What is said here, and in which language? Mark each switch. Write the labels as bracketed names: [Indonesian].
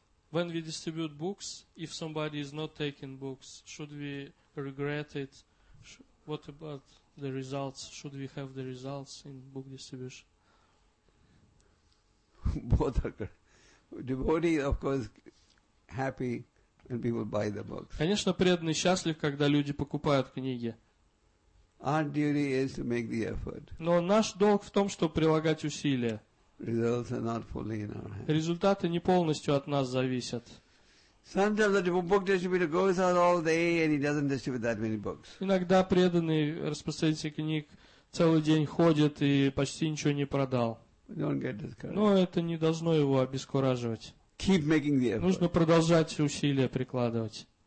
[English] When we distribute books, if somebody is not taking books, should we regret it? What about the results? Should we have the results in book distribution? Both occur. Devotee, of course, happy when people buy the books. [Russian] Конечно, преданный счастлив, когда люди покупают книги. [English] Our duty is to make the effort. [Russian] Но наш долг в том, чтобы прилагать усилия. [English] Results are not fully in our hands. [Russian] Результаты не полностью от нас зависят. [English] Sometimes the book distributor goes out all day and he doesn't distribute that many books. [Russian] Иногда преданный распространитель книг целый день ходит и почти ничего не продал. [English] Don't get discouraged. [Russian] Но это не должно его обескураживать. [English] Keep making the effort. [Russian] Нужно продолжать усилия прикладывать.